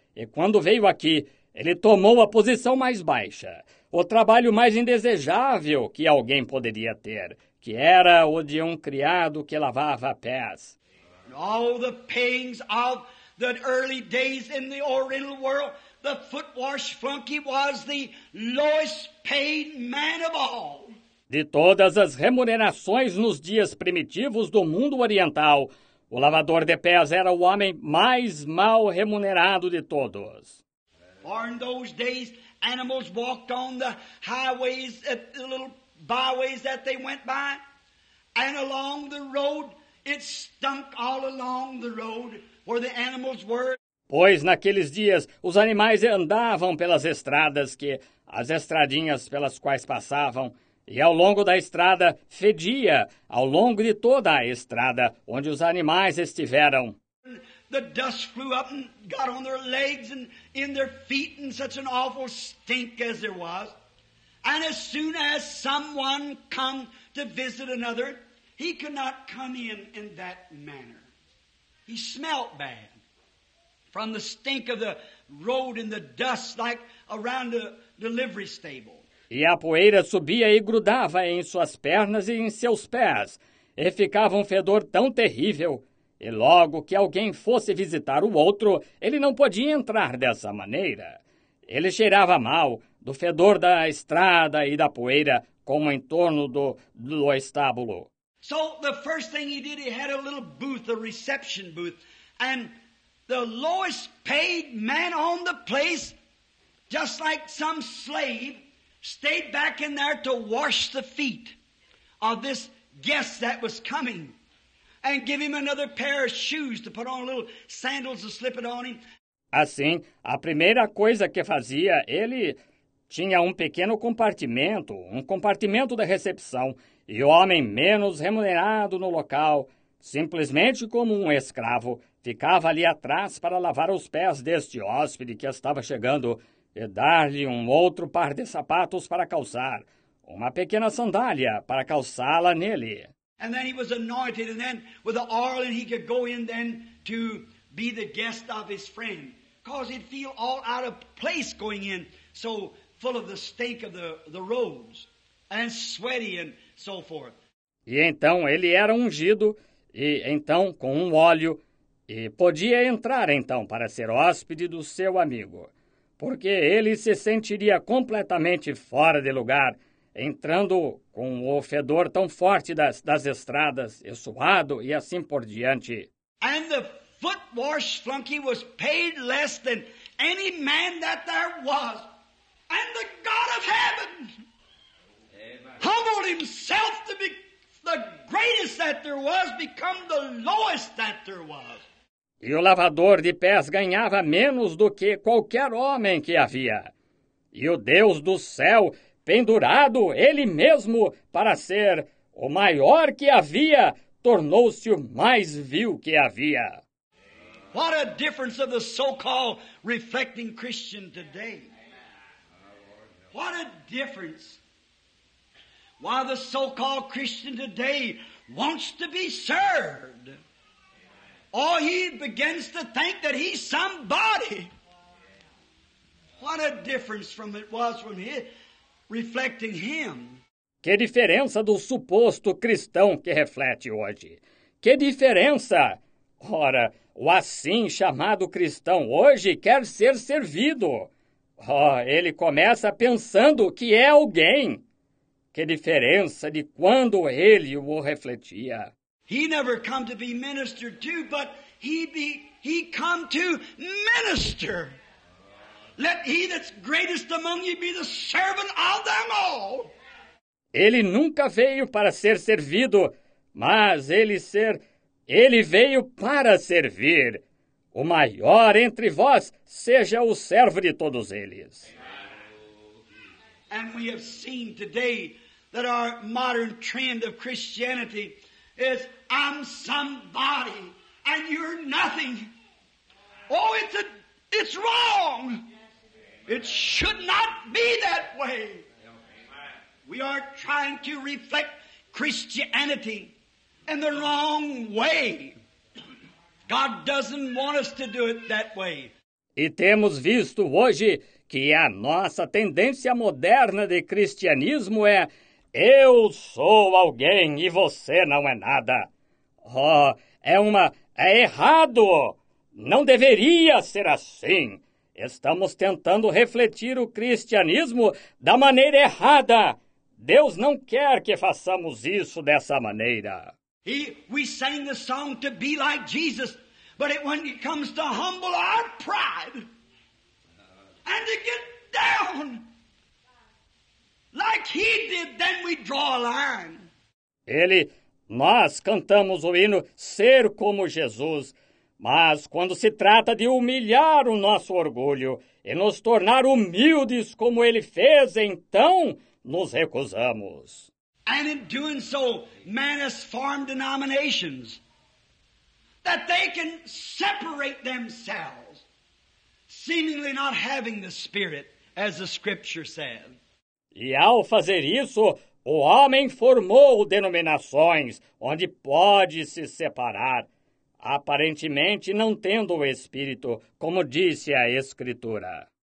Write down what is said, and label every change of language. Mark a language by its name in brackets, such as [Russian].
[Portuguese] E quando veio aqui, ele tomou a posição mais baixa, o trabalho mais indesejável que alguém poderia ter, que era o de um criado que lavava pés. [English] All the pains of the early days in the Oriental world, the foot wash flunky was the lowest paid man of all. [Portuguese] De todas as remunerações nos dias primitivos do mundo oriental, o lavador de pés era o homem mais mal remunerado de todos. [English] For in those days, animals walked on the highways, the little byways that they went by, and along the road. It stunk all along the road where the animals were. [Portuguese] Pois naqueles dias os animais andavam pelas estradas que, as estradinhas pelas quais passavam, e ao longo da estrada fedia, ao longo de toda a estrada onde os animais estiveram. [English] The dust flew up and got on their legs and in their feet and such an awful stink as there was. And as soon as someone come to visit another, he could not come in that manner. He smelt bad from the stink of the road and the dust like around the delivery stable. [Portuguese] E a poeira subia e grudava em suas pernas e em seus pés, e ficava um fedor tão terrível. E logo que alguém fosse visitar o outro, ele não podia entrar dessa maneira. Ele cheirava mal, do fedor da estrada e da poeira, como em torno do estábulo. [English] So the first thing he did, he had a little booth, a reception booth, and the lowest paid man on the place, just like some slave, stayed back in there to wash the feet of this guest that was coming, and give him another pair of shoes to put on, little sandals to slip it on him. [Portuguese] Assim, a primeira coisa que fazia, ele tinha um pequeno compartimento, um compartimento da recepção. E o homem menos remunerado no local, simplesmente como um escravo, ficava ali atrás para lavar os pés deste hóspede que estava chegando e dar-lhe um outro par de sapatos para calçar, uma pequena sandália para calçá-la nele. [English] And then he was anointed, and then with the oil, and he could go in then to be the guest of his friend, cause he'd feel all out of place going in, so full of the stink of the roads, and sweaty and so forth. [Portuguese] E então ele era ungido, e então com um óleo, e podia entrar então para ser hóspede do seu amigo, porque ele se sentiria completamente fora de lugar, entrando com o fedor tão forte das estradas, e suado, e assim por diante. [English] And the foot wash flunky was paid less than any man that there was. And the God of heaven humbled himself to be the greatest that there was, become the lowest that there was. [Portuguese] E o lavador de pés ganhava menos do que qualquer homem que havia. E o Deus do céu, pendurado ele mesmo para ser o maior que havia, tornou-se o mais vil que havia. [English] What a difference of the so-called reflecting Christian today. What a difference. While the so-called Christian today wants to be served, Oh, he begins to think that he's somebody. What a difference from it was from him reflecting him. [Portuguese] Que diferença do suposto cristão que reflete hoje? Que diferença? Ora, o assim chamado cristão hoje quer ser servido. Oh, ele começa pensando que é alguém. Que diferença de quando ele o refletia? [English] He never come to be ministered to, but he come to minister. Let he that's greatest among you be the servant of them all. [Portuguese] Ele nunca veio para ser servido, mas ele veio para servir. O maior entre vós seja o servo de todos eles. [English] And we have seen today that our modern trend of Christianity is I'm somebody and you're nothing. Oh, it's wrong. It should not be that way. We are trying to reflect Christianity in the wrong way. God doesn't want us to do it that way. [Portuguese] E temos visto hoje que a nossa tendência moderna de cristianismo é eu sou alguém e você não é nada. Oh, é errado. Não deveria ser assim. Estamos tentando refletir o cristianismo da maneira errada. Deus não quer que façamos isso dessa maneira. [English] We sang the song to be like Jesus, but when it comes to humble our pride and to get down like he did, then we draw a line. [Portuguese] Nós cantamos o hino Ser como Jesus, mas quando se trata de humilhar o nosso orgulho e nos tornar humildes como ele fez, então nos recusamos. [English] And in doing so, man has formed denominations that they can separate themselves, seemingly not having the Spirit, as the Scripture said. [Portuguese] E ao fazer isso, o homem formou denominações onde pode se separar, aparentemente não tendo o Espírito, como disse a Escritura.